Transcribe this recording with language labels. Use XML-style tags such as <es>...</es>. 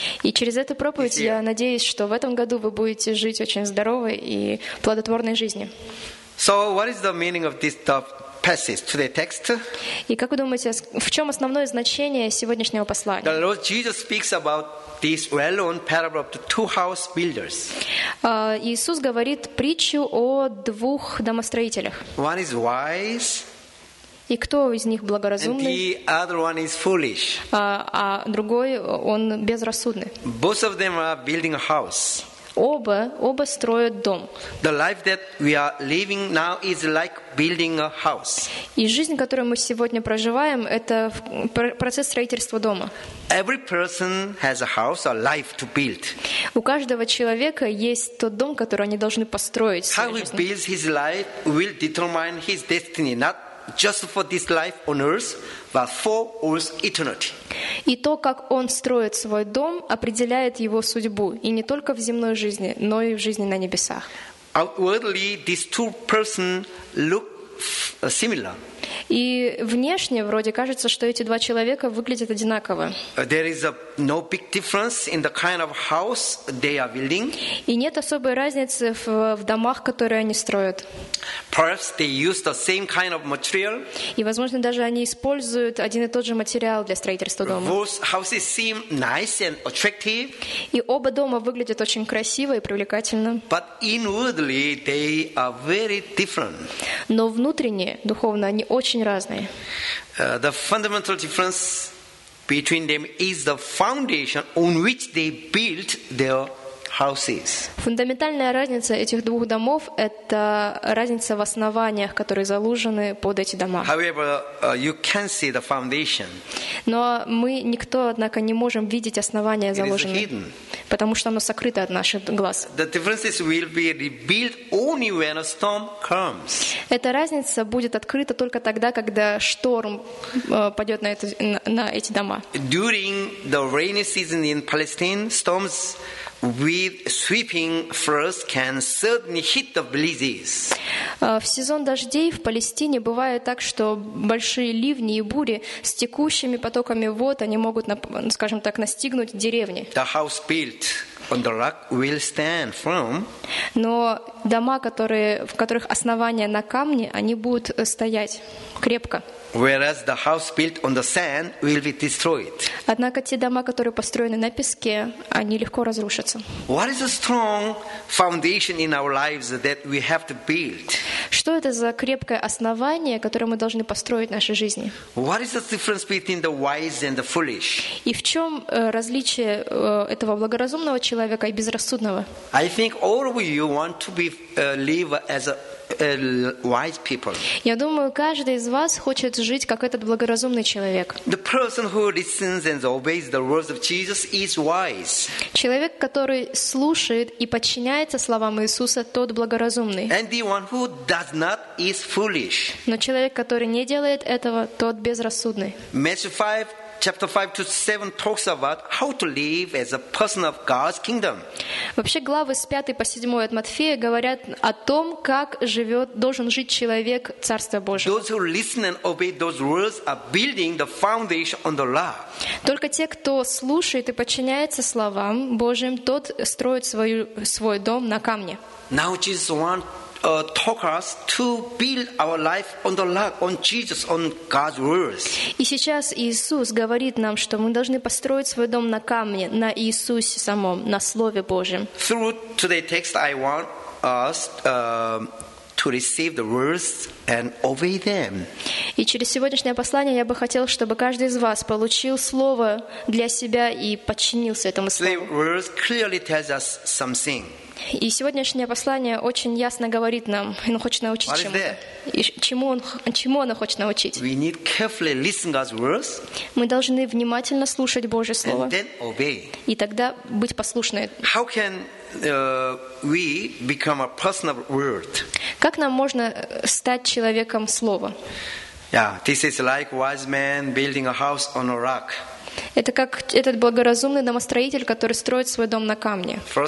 <ru>И через эту проповедь я надеюсь, что в этом году вы будете жить очень здоровой и плодотворной жизнью.</ru> <en>So, what is the meaning of this passage today's text?</en> <ru>И как вы думаете, в чем основное значение сегодняшнего послания?</ru> <en>The Lord Jesus speaks about this well-known parable of the two house builders.</en> <ru>Иисус говорит притчу о двух домостроителях.</ru> <en>One is wise.</en> <ru>И кто из них благоразумный?</ru> <en>And the other one is foolish.</en> <ru>А другой он безрассудный.</ru> <en>Both of them are building a house.</en> <ru>Оба строят дом.</ru> <en>The life that we are living now is like building a house.</en> <ru>И жизнь, которую мы сегодня проживаем, это процесс строительства дома.</ru> <en>Every person has a house, a life to build.</en> <ru>У каждого человека есть тот дом, который они должны построить.</ru> <en>How he builds his life will determine his destiny, not just for this life on earth, but for all eternity.</en> <ru>И то, как он строит свой дом, определяет его судьбу, и не только в земной жизни, но и в жизни на небесах.</ru> <en>Outwardly, these two persons look similar.</en> <ru>И внешне вроде кажется, что эти два человека выглядят одинаково.</ru> <en>There is no big difference in the kind of house they are building.</en> <ru>И нет особой разницы в домах, которые они строят.</ru> <en>Perhaps they use the same kind of material.</en> <ru>И, возможно, даже они используют один и тот же материал для строительства дома.</ru> <en>Both houses seem nice and attractive.</en> <ru>И оба дома выглядят очень красиво и привлекательно.</ru> <en>But inwardly they are very different.</en> <ru>Но внутренне, духовно, они очень разные.</ru> <en>The fundamental difference between them is the foundation on which they built their houses.</en> <ru>Фундаментальная разница этих двух домов – это разница в основаниях, которые заложены под эти дома.</ru> <en>However, you can see the foundation.</en> <ru>Но мы, никто, однако, не можем видеть основания заложенные, потому что оно сокрыто от наших глаз.</ru> <en>The differences will be revealed only when a storm comes.</en> <ru>Эта разница будет открыта только тогда, когда шторм падет на эти дома.</ru> <en>During the rainy season in Palestine, storms with sweeping floods can suddenly hit the villages.</en> <ru>В сезон дождей в Палестине бывает так, что большие ливни и бури с текущими потоками вод, они могут, скажем так, настигнуть деревни.</ru> <en>The house built on the rock will stand firm.</en> <ru>Но дома, в которых основания на камне, они будут стоять крепко.</ru> <en>Whereas the house built on the sand will be destroyed.</en> <ru>Однако те дома, которые построены на песке, они легко разрушатся.</ru> <en>What is a strong foundation in our lives that we have to build?</en> <ru>Что это за крепкое основание, которое мы должны построить в нашей жизни?</ru> <en>What is the difference between the wise and the foolish?</en> <ru>И в чем различие этого благоразумного человека и безрассудного?</ru> <en>I think all of you want to be live as a wise people.</en> <ru>Я думаю, каждый из вас хочет жить как этот благоразумный человек.</ru> <en>The person who listens and obeys the words of Jesus is wise.</en> <ru>Человек, который слушает и подчиняется словам Иисуса, тот благоразумный.</ru> <en>And the one who does not is foolish.</en> <ru>Но человек, который не делает этого, тот безрассудный.</ru> <en>Matthew 5, chapter 5 to 7 talks about how to live as a person of God's kingdom.</en> <ru>Вообще главы с 5 по 7 от Матфея говорят о том, как должен жить человек Царства Божьего.</ru> <en>Those who listen and obey those words are building the foundation on the law.</en> <ru>Только те, кто слушает и подчиняется словам Божьим, тот строит свой дом на камне.</ru> <en>Now Jesus talk us to build our life on the rock, on Jesus, on God's words.</en> <ru>И сейчас Иисус говорит нам, что мы должны построить свой дом на камне, на Иисусе самом, на Слове Божьем.</ru> <en>Through today's text, I want us to receive the words and obey them.</en> <ru>И через сегодняшнее послание я бы хотел, чтобы каждый из вас получил слово для себя и подчинился этому слову.</ru> <en>Today's words clearly tells us something.</en> <ru>И сегодняшнее послание очень ясно говорит нам, и оно хочет научить чему оно хочет научить.</ru> <en>We need carefully listen God's words.</en> <ru>Мы должны внимательно слушать Божье слово.</ru> <en>And then obey.</en> <ru>И тогда быть послушными.</ru> <en>How can we become a person of word?</en> <ru>Как нам можно стать человеком слова?</ru> <en>Yeah, this is like wise man building a house on a rock.</en> <ru>Это как этот благоразумный домостроитель, который строит свой дом на камне.</ru>